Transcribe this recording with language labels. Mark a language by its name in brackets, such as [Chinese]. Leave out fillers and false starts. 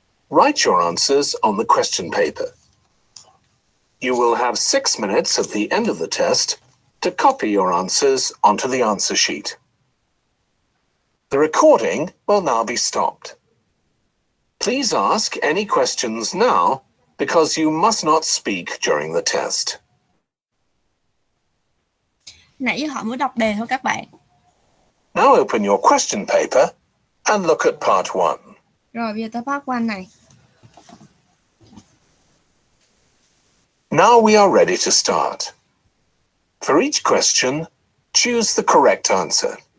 [English] Write your answers on the question paper. You will have 6 minutes at the end of the test to copy your answers onto the answer sheet. The recording will now be stopped. Please ask any questions now because you must not speak during the test. [Vietnamese] Nãy giờ họ mới đọc đề thôi các bạn. [English] Now open your question paper and look at part 1. [Vietnamese] Rồi bây giờ tới part 1 này. [English] Now we are ready to start. For each question, choose the correct answer.